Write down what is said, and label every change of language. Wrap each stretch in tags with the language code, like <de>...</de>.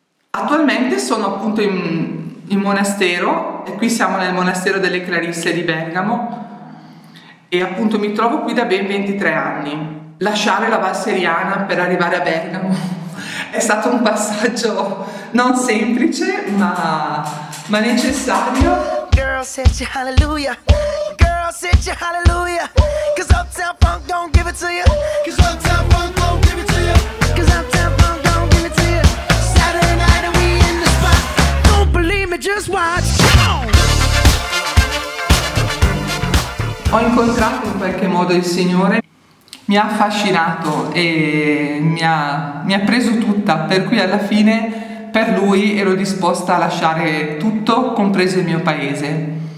<it>Attualmente sono appunto in monastero e qui siamo nel monastero delle Clarisse di Bergamo e appunto mi trovo qui da ben 23 anni. Lasciare la Val Seriana per arrivare a Bergamo è stato un passaggio non semplice ma necessario.</it> <en>Girl said hallelujah. Girl said hallelujah. Cuz uptown funk don't give it to you. Cuz uptown funk don't give it to you. Cuz uptown funk don't give it to you. Saturday night and we in the spot. Don't believe me, just watch.</en> <it>Ho incontrato in qualche modo il Signore. Mi ha affascinato e mi ha preso tutta, per cui alla fine per lui ero disposta a lasciare tutto, compreso il mio paese.</it>